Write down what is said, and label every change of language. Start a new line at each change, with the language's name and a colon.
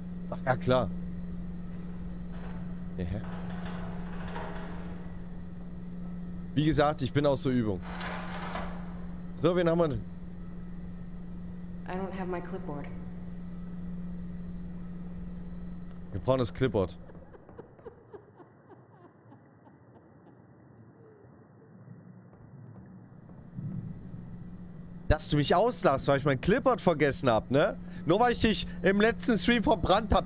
German: Ach ja, klar. Ja. Wie gesagt, ich bin aus der Übung. So, wen haben wir?
English: I don't have my clipboard.
German: Wir brauchen das Clipboard. Dass du mich auslachst, weil ich mein Clipboard vergessen hab, ne? Nur weil ich dich im letzten Stream verbrannt hab.